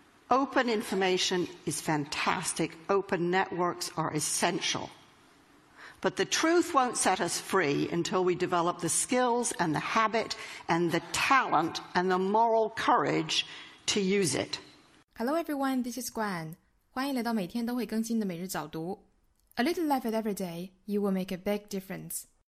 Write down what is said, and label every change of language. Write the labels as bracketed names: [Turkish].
[English] Open information is fantastic. Open networks are essential. But the truth won't set us free until we develop the skills and the habit and the talent and the moral courage to use it. Hello everyone, this is Gwen. [Chinese] 欢迎来到每天都会更新的每日早读。 [English] A little effort every day, you will make a big difference.